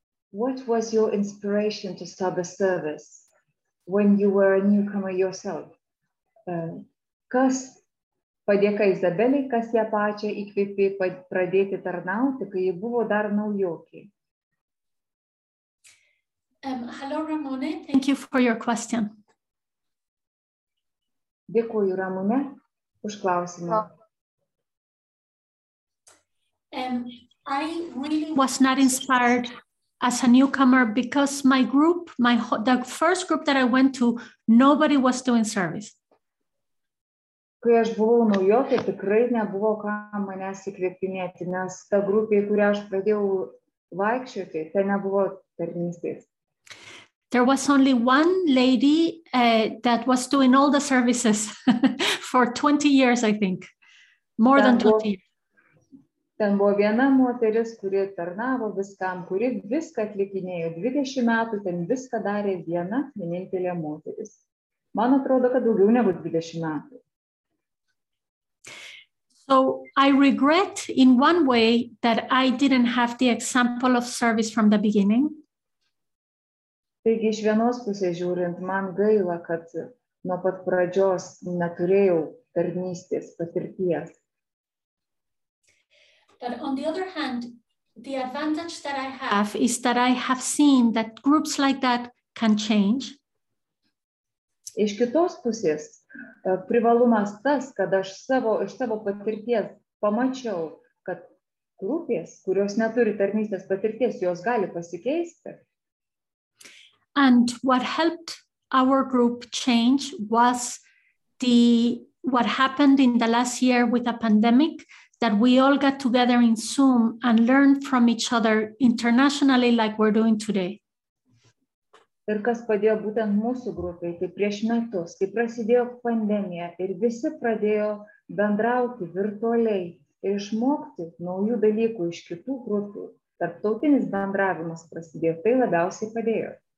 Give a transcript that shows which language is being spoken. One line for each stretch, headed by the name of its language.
English: What was your inspiration to start the service when you were a newcomer yourself?
Lithuanian: Kas padėka Izabelei, kas ją pačią įkvėpė pradėti tarnauti, kai ji buvo dar naujokė?
English: Hello, Ramune. Thank you for your question.
Lithuanian: Dėkuoju, Ramune, už klausimą.
English: I really was not inspired as a newcomer because my group, the first group that I went to, nobody was doing service.
Lithuanian: Kai aš buvau naujokė, tikrai nebuvo kam manęs įkvėpinėti, nes ta grupė, kurią aš pradėjau vaikščioti, tai nebuvo tarnystės.
English: There was only one lady that was doing all the services for 20 years, I think. More than 20 years.
Lithuanian: Ten buvo viena moteris, kuri tarnavo viskam, kuri viską atlikinėjo 20 metų, ten viską darė viena vienintelė moteris. Man atrodo, kad daugiau negu 20 metų.
English: So I regret in one way that I didn't have the example of service from the beginning.
Lithuanian: Taigi iš vienos pusės žiūrint, man gaila, kad nuo pat pradžios neturėjau tarnystės patirties.
English: But on the other hand, the advantage that I have is that I have seen that groups like that can change.
Lithuanian: Iš kitos pusės, privalumas tas, kad aš iš savo patirties pamačiau, kad grupės, kurios neturi tarnystės patirties, jos gali pasikeisti.
English: And what helped our group change was what happened in the last year with a pandemic, that we all got together in Zoom and learned from each other internationally like we're doing today.
Lithuanian: Ir kas padėjo būtent mūsų grupei, tai prieš metus, kai prasidėjo pandemija ir visi pradėjo bendrauti virtualiai ir išmokti naujų dalykų iš kitų grupių, tarptautinis bendravimas prasidėjo, tai labiausiai padėjo.